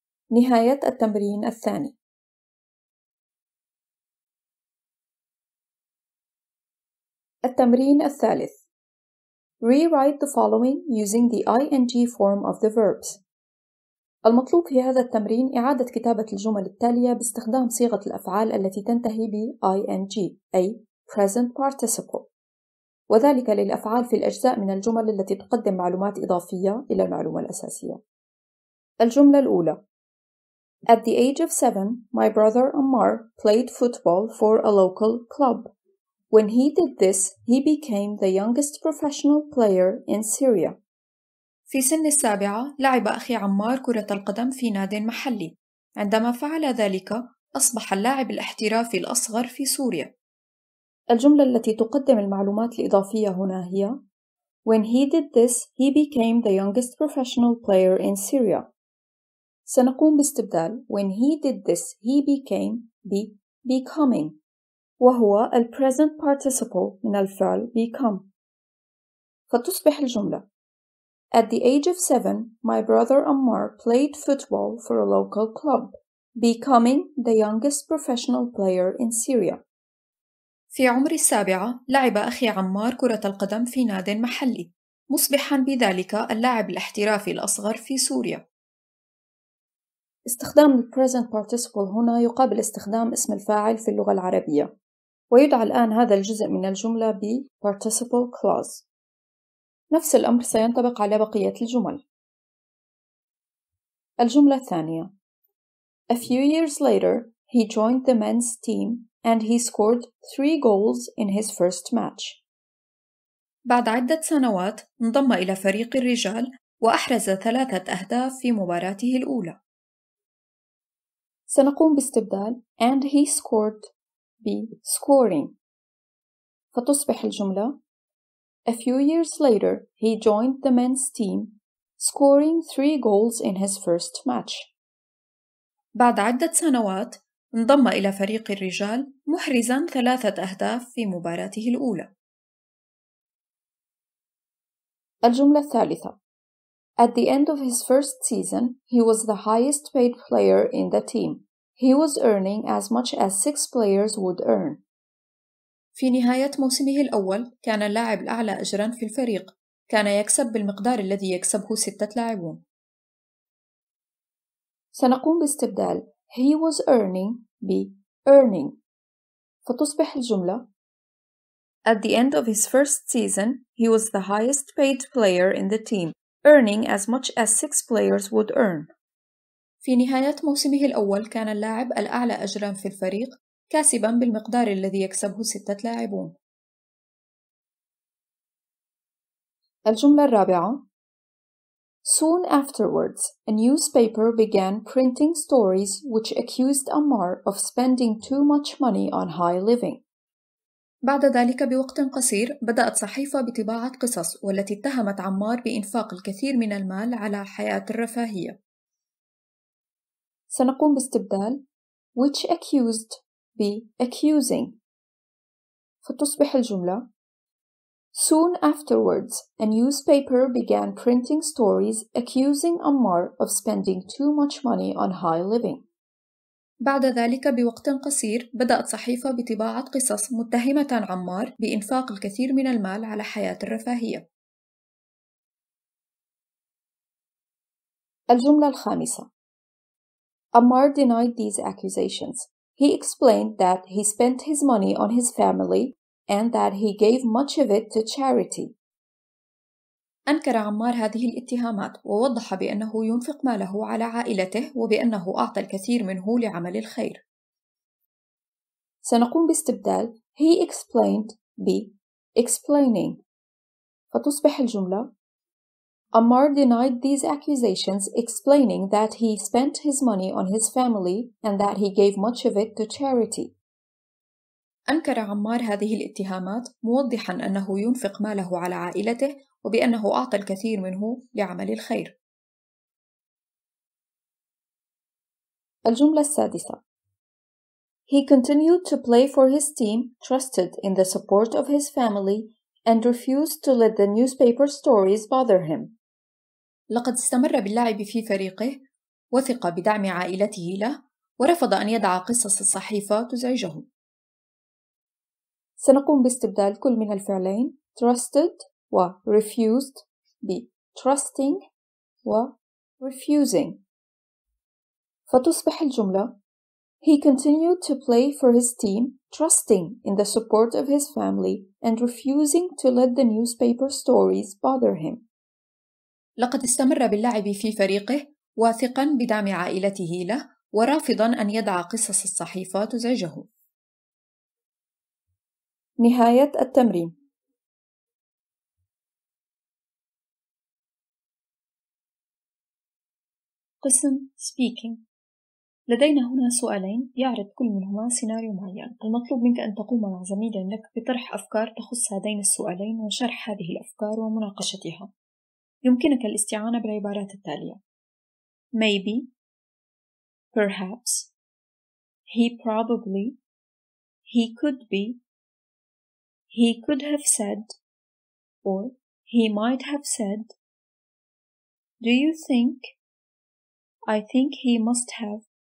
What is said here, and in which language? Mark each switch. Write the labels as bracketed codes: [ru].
[ar] نهاية التمرين الثاني. التمرين الثالث. [en] Rewrite the following using the ing form of the verbs. [ar] المطلوب في هذا التمرين إعادة كتابة الجمل التالية باستخدام صيغة الأفعال التي تنتهي بـ ing أي present participle وذلك للأفعال في الأجزاء من الجمل التي تقدم معلومات إضافية إلى المعلومة الأساسية. الجملة الأولى [en] At the age of 7, my brother Ammar played football for a local club. When he did this, he became the youngest professional player in Syria. [ar] في سن السابعة لعب أخي عمار كرة القدم في نادي محلي. عندما فعل ذلك أصبح اللاعب الاحترافي الأصغر في سوريا. الجملة التي تقدم المعلومات الإضافية هنا هي [en] When he did this, he became the youngest professional player in Syria. [ar] سنقوم باستبدال [en] When he did this, he became becoming [ar] وهو ال present participle من الفعل become. فتصبح الجملة: [en] At the age of 7, my brother Ammar played football for a local club, becoming the youngest professional player in Syria. [ar] في عمر 7 لعب أخي عمار كرة القدم في ناد محلي، مصبحاً بذلك اللاعب الاحترافي الأصغر في سوريا. استخدام الـ present participle هنا يقابل استخدام اسم الفاعل في اللغة العربية، ويدعى الآن هذا الجزء من الجملة بـ participle clause. نفس الأمر سينطبق على بقية الجمل. الجملة الثانية: [en] A few years later, he joined the men's team and he scored 3 goals in his first match. [ar] بعد عدة سنوات انضم إلى فريق الرجال وأحرز 3 أهداف في مباراته الأولى. سنقوم باستبدال [en] and he scored ب scoring، [ar] فتصبح الجملة: [en] A few years later, he joined the men's team, scoring 3 goals in his first match. [ar] بعد عدة سنوات انضم إلى فريق الرجال محرزاً 3 أهداف في مباراته الأولى. الجملة الثالثة: [en] At the end of his first season, he was the highest paid player in the team. He was earning as much as 6 players would earn. [ar] في نهاية موسمه الأول كان اللاعب الأعلى أجراً في الفريق، كان يكسب بالمقدار الذي يكسبه 6 لاعبون. سنقوم باستبدال [en] he was earning ب earning، [ar] فتصبح الجملة: [en] At the end of his first season, he was the highest paid player in the team, earning as much as 6 players would earn. [ar] في نهاية موسمه الأول كان اللاعب الأعلى أجراً في الفريق، كاسباً بالمقدار الذي يكسبه 6 لاعبون. الجملة الرابعة: [en] Soon afterwards, a newspaper began printing stories which accused Ammar of spending too much money on high living. [ar] بعد ذلك بوقت قصير بدأت صحيفة بطباعة قصص والتي اتهمت عمار بإنفاق الكثير من المال على حياة الرفاهية. سنقوم باستبدال [en] which accused ب accusing، [ar] فتصبح الجملة: [en] Soon afterwards, a newspaper began printing stories accusing Ammar of spending too much money on high living. [ar] بعد ذلك بوقت قصير بدأت صحيفة بطباعة قصص متهمة عمار بإنفاق الكثير من المال على حياة الرفاهية. الجملة الخامسة: [en] Ammar denied these accusations. He explained that he spent his money on his family and that he gave much of it to charity. [ar] أنكر عمار هذه الاتهامات ووضح بأنه ينفق ماله على عائلته وبأنه أعطى الكثير منه لعمل الخير. سنقوم باستبدال [en] he explained ب explaining، [ar] فتصبح الجملة: [en] Ammar denied these accusations, explaining that he spent his money on his family and that he gave much of it to charity. [ar] أنكر عمار هذه الاتهامات موضحاً أنه ينفق ماله على عائلته وبأنه أعطى الكثير منه لعمل الخير. الجملة السادسة: [en] He continued to play for his team, trusted in the support of his family, and refused to let the newspaper stories bother him. [ar] لقد استمر باللعب في فريقه وثق بدعم عائلته له ورفض أن يدع قصص الصحيفة تزعجه. سنقوم باستبدال كل من الفعلين [en] trusted و refused ب trusting و refusing، [ar] فتصبح الجملة: [en] He continued to play for his team, trusting in the support of his family and refusing to let the newspaper stories bother him. [ar] لقد استمر باللعب في فريقه واثقا بدعم عائلته له ورافضا أن يدع قصص الصحيفة تزعجه. نهاية التمرين. قسم speaking، لدينا هنا سؤالين يعرض كل منهما سيناريو معين. المطلوب منك أن تقوم مع زميل لك بطرح أفكار تخص هذين السؤالين وشرح هذه الأفكار ومناقشتها. يمكنك الاستعانة بالعبارات التالية: [en] maybe، perhaps، he probably، he could be, he could have said, or he might have said. Do you think? I think he must have.